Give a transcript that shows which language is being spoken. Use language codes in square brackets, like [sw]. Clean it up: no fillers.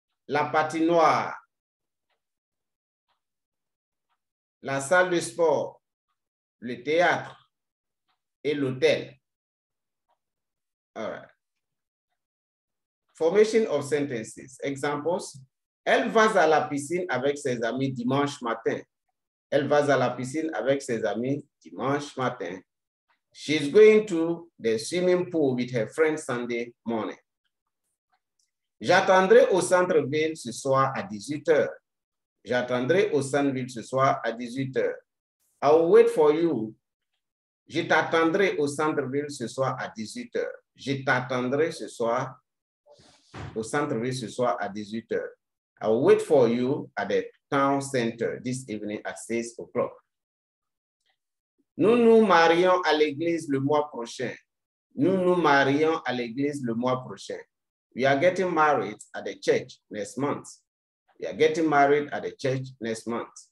[fr] La patinoire, la salle de sport, le théâtre et l'hôtel. [en] All right. Formation of sentences. Examples. [fr] Elle va à la piscine avec ses amis dimanche matin. Elle va à la piscine avec ses amis dimanche matin. [en] She's going to the swimming pool with her friend Sunday morning. [fr] J'attendrai au centre-ville ce soir à 18h. J'attendrai au centre-ville ce soir à 18h. [en] I will wait for you. [fr] Je t'attendrai au centre-ville ce soir à 18h. Je t'attendrai ce soir au centre-ville ce soir à 18h. [en] I will wait for you at the town center this evening at 6 o'clock. [fr] Nous nous marions à l'église le mois prochain. Nous nous marions à l'église le mois prochain. [en] We are getting married at the church next month. We are getting married at the church next month.